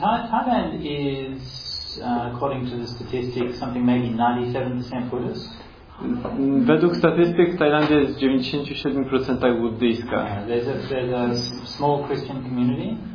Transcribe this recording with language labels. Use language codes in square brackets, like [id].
[en] Thailand is, according to the statistics, something maybe 97% Buddhist. [pl] Według statystyk Tajlandia jest 97% buddyjska. [en] There's a small Christian community.